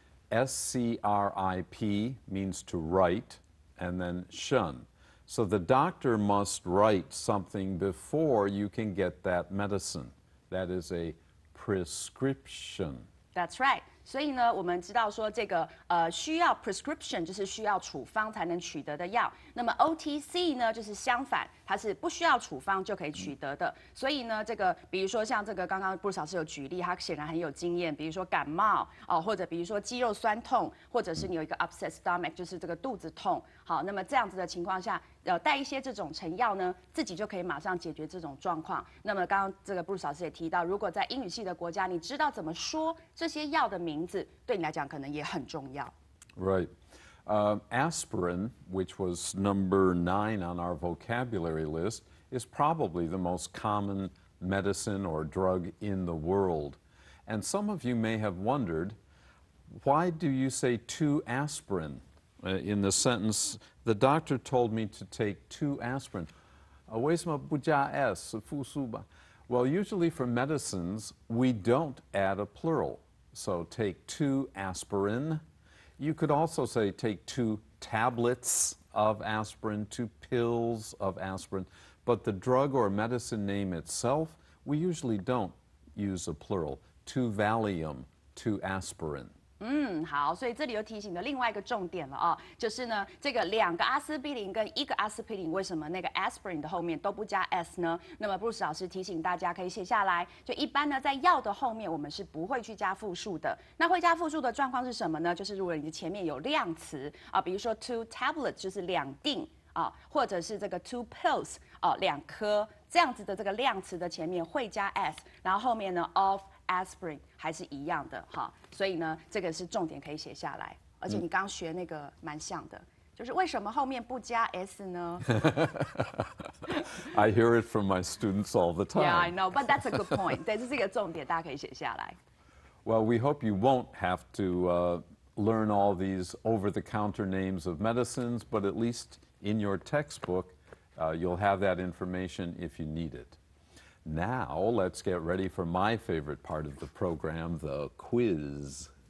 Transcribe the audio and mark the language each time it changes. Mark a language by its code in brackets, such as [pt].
[en] S-C-R-I-P means to write, and then shun. So the doctor must write something before you can get that medicine. That is a prescription. That's right. [zh] 所以呢，我们知道说这个需要 prescription 就是需要处方才能取得的药。那么 OTC 呢，就是相反，它是不需要处方就可以取得的。所以呢，这个比如说像这个刚刚布鲁斯老师有举例，他显然很有经验。比如说感冒哦，或者比如说肌肉酸痛，或者是你有一个 [en] upset stomach， [zh] 就是这个肚子痛。好，那么这样子的情况下。带一些这种成药呢，自己就可以马上解决这种状况。那么刚刚这个布鲁斯老师也提到，如果在英语系的国家，你知道怎么说这些药的名字，对你来讲可能也很重要。 [en] Right. Aspirin, which was number 9 on our vocabulary list, is probably the most common medicine or drug in the world. And some of you may have wondered, Why do you say two aspirin in the sentence, the doctor told me to take two aspirin? [zh] 为什么不加 s, 复数吧? [en] Well, usually for medicines, we don't add a plural. So take two aspirin. You could also say take two tablets of aspirin, two pills of aspirin. But the drug or medicine name itself, we usually don't use a plural. Two Valium, two aspirin. [zh] 嗯，好，所以这里又提醒了另外一个重点了啊，就是呢，这个两个阿司匹林跟一个阿司匹林，为什么那个 aspirin 的后面都不加 s 呢？那么 Bruce 老师提醒大家可以写下来，就一般呢，在药的后面我们是不会去加复数的。那会加复数的状况是什么呢？就是如果你前面有量词啊，比如说 [en] two tablets [zh] 就是两锭啊，或者是这个 [en] two pills [zh] 啊，两颗这样子的这个量词的前面会加 s， 然后后面呢 of。 Aspirin 还是一样的哈，所以呢，这个是重点可以写下来。而且你刚学那个蛮像的，就是为什么后面不加 s 呢 [en] ？I hear it from my students all the time. Yeah, I know, but that's a good point. [zh] 对，这是一个重点，大家可以写下来。 [en] Well, we hope you won't have to learn all these over-the-counter names of medicines, but at least in your textbook, you'll have that information if you need it. Now, let's get ready for my favorite part of the program, the quiz.